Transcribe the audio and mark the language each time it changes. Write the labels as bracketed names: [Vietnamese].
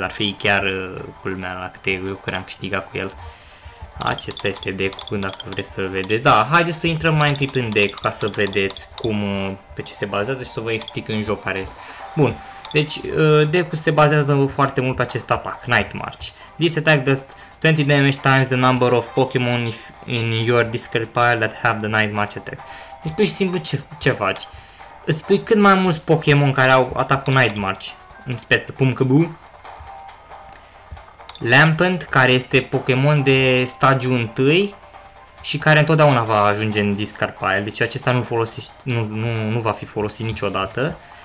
[Romanian] Ar fi chiar culmea la câte jocuri am câștigat cu el. Acesta este deck-ul, dacă vreți să-l vedeți. Da, haideți să intrăm mai întâi în deck ca să vedeți cum, pe ce se bazează și să vă explic în joc care. Bun, deci deck-ul se bazează foarte mult pe acest atac, Night March. [English] This attack does 20 damage times the number of Pokémon in your discard pile that have the Night March attack. [Romanian] Deci pur și simplu ce faci? Îți pui cât mai mulți Pokémon care au atacul Night March în speță, Pumcabu. Lampent, care este Pokémon de stagiu 1 și care întotdeauna va ajunge în discard pile, deci acesta nu va fi folosit niciodată.